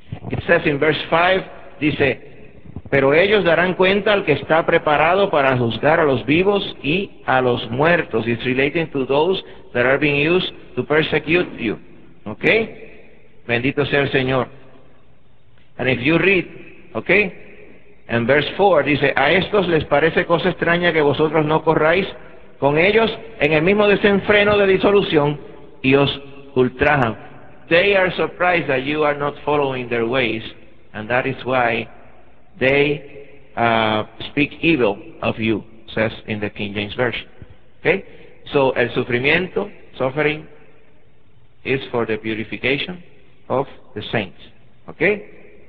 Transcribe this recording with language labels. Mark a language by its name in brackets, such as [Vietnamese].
[English] It says in verse 5, [Spanish] dice, pero ellos darán cuenta al que está preparado para juzgar a los vivos y a los muertos. [English] It's relating to those that are being used to persecute you. Okay? [Spanish] Bendito sea el Señor. [English] And if you read, okay? In verse 4, [Spanish] dice, a estos les parece cosa extraña que vosotros no corráis con ellos en el mismo desenfreno de disolución y os ultrajan. [English] They are surprised that you are not following their ways, and that is why they speak evil of you, says in the King James Version. Okay? So, [Spanish] el sufrimiento, [English] suffering, is for the purification of the saints. Okay?